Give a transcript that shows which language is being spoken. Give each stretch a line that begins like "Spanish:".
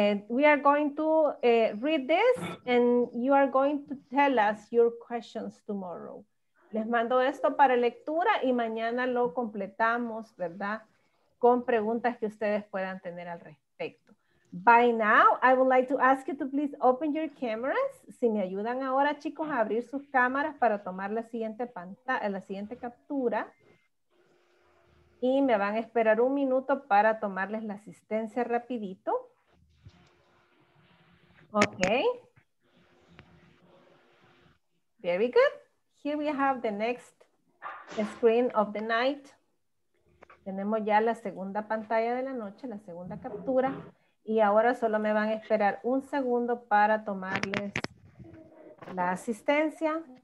English: We are going to read this, and you are going to tell us your questions tomorrow.
Spanish: Les mando esto para lectura y mañana lo completamos, ¿verdad? con preguntas que ustedes puedan tener al respecto.
English: By now, I would like to ask you to please open your cameras.
Spanish: Si me ayudan ahora, chicos, a abrir sus cámaras para tomar la siguiente pantalla, la siguiente captura. Y me van a esperar un minuto para tomarles la asistencia rapidito.
English: Ok. Very good. Here we have the next screen of the night.
Spanish: Tenemos ya la segunda pantalla de la noche, la segunda captura. Y ahora solo me van a esperar un segundo para tomarles la asistencia.